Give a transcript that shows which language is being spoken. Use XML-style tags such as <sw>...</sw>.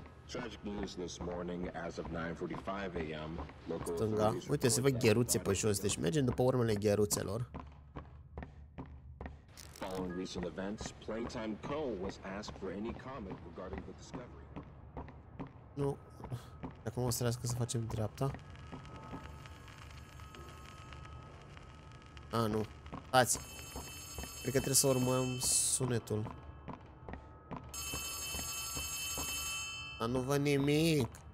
<en>Tragic news this morning as of 9:45 a.m.</en> <ro>Local stânga. Uite, se văd gheruțe pe jos, deci mergem după urmele gheruțelor.</ro> <en>Following recent events, Playtime Co. was asked for any comment regarding the discovery.</en> <ro>Nu. Acum o să trească să facem dreapta. A, nu. Stați. Cred că trebuie să urmăm sunetul. Dar nu văd nimic.</ro>